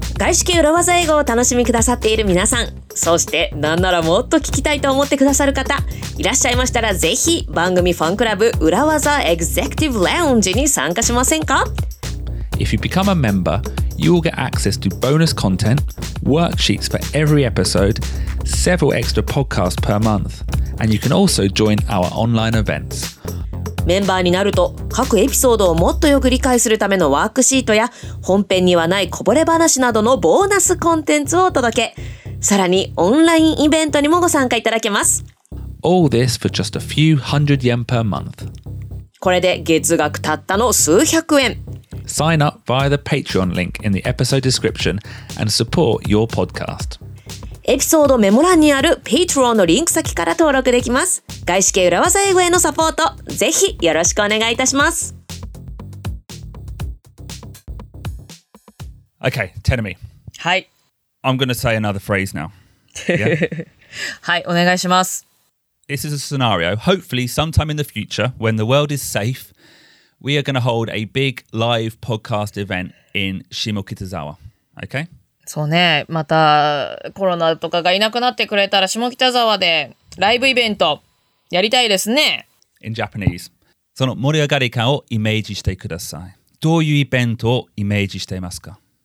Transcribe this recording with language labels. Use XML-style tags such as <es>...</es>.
<ja>外資系裏技英語を楽しみくださっている皆さん、そしてなんならもっと聞きたいと思ってくださる方、いらっしゃいましたらぜひ番組ファンクラブ Urawaza Executive Lounge に参加しませんか?</ja> <en>If you become a member, you will get access to bonus content, worksheets for every episode, several extra podcasts per month, and you can also join our online events.</en> <ja>メンバーになると各エピソードをもっとよく理解するためのワークシートや本編にはないこぼれ話などのボーナスコンテンツをお届け。さらにオンラインイベントにもご参加いただけます。</ja> <en>All this for just a few hundred yen per month.</en> <ja>これで月額たったの数百円。</ja> <en>Sign up via the Patreon link in the episode description and support your podcast.</en> <ja>エピソードメモ欄にある Patreon のリンク先から登録できます。外資系裏技英語へのサポート、ぜひよろしくお願いいたします。</ja> <en>Okay, tell me.</en> <ja>はい。</ja> <en>I'm going to say another phrase now.</en> <ja>Yeah? はい、お願いします。</ja> <en>This is a scenario. Hopefully, sometime in the future, when the world is safe, we are going to hold a big live podcast event in Shimokitazawa. Okay?</en> <ja>そうね、またコロナとかがいなくなってくれたら下北沢でライブイベントやりたいですね。</ja> <en>In Japanese.</en> <ja>その盛り上がり感をイメージしてください。どういうイベントをイメージしていますか？</ja>